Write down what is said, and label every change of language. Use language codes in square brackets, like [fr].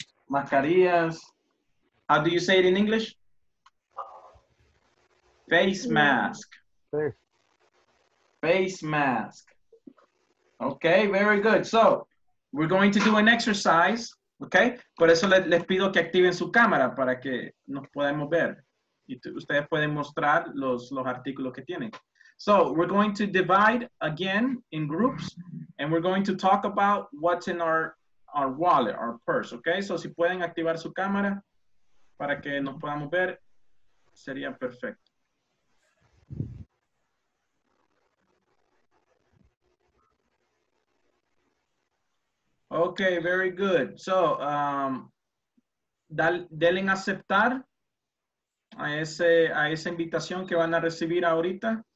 [en] Mascarillas, how do you say it in English? Face mask. Face mask. Okay, very good. So, we're going to do an exercise, okay? [es] Por eso les pido que activen su cámara para que nos podamos ver. Y ustedes pueden mostrar los artículos que tienen. [en] So we're going to divide again in groups and we're going to talk about what's in our wallet, our purse, okay? [es] So si pueden activar su cámara para que nos podamos ver, sería perfecto. [en] Okay, very good. [es] So, denle aceptar a esa invitación que van a recibir ahorita.